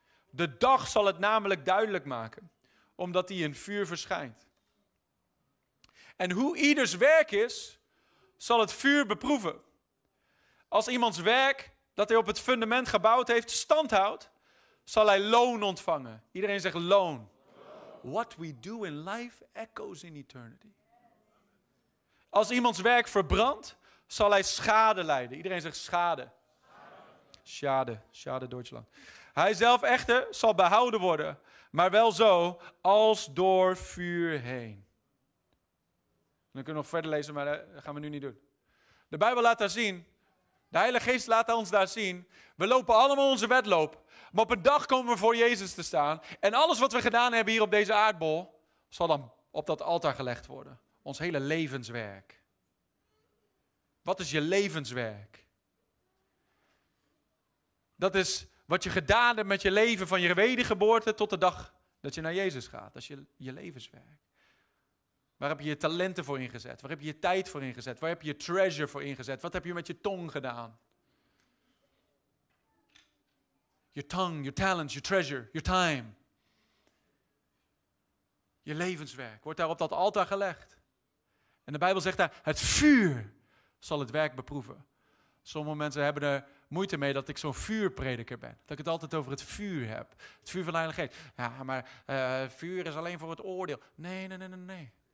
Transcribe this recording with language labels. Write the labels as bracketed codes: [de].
[nl] De dag zal het namelijk duidelijk maken, omdat die in vuur verschijnt. En hoe ieders werk is, zal het vuur beproeven. Als iemands werk, dat hij op het fundament gebouwd heeft, stand houdt, zal hij loon ontvangen. Iedereen zegt loon. [en] What we do in life echoes in eternity. [nl] Als iemands werk verbrandt, zal hij schade lijden. Iedereen zegt schade. Schade, schade Deutschland. Hij zelf echter zal behouden worden, maar wel zo als door vuur heen. Dan kunnen we nog verder lezen, maar dat gaan we nu niet doen. De Bijbel laat daar zien, de Heilige Geest laat ons daar zien, we lopen allemaal onze wedloop, maar op een dag komen we voor Jezus te staan en alles wat we gedaan hebben hier op deze aardbol zal dan op dat altaar gelegd worden. Ons hele levenswerk. Wat is je levenswerk? Dat is wat je gedaan hebt met je leven van je wedergeboorte tot de dag dat je naar Jezus gaat. Dat is je levenswerk. Waar heb je je talenten voor ingezet? Waar heb je je tijd voor ingezet? Waar heb je je treasure voor ingezet? Wat heb je met je tong gedaan? [en] Your tongue, your talents, your treasure, your time. [nl] Je levenswerk wordt daar op dat altaar gelegd. En de Bijbel zegt daar, het vuur zal het werk beproeven. Sommige mensen hebben er moeite mee dat ik zo'n vuurprediker ben. Dat ik het altijd over het vuur heb. Het vuur van de Heilige Geest. Ja, maar vuur is alleen voor het oordeel. Nee.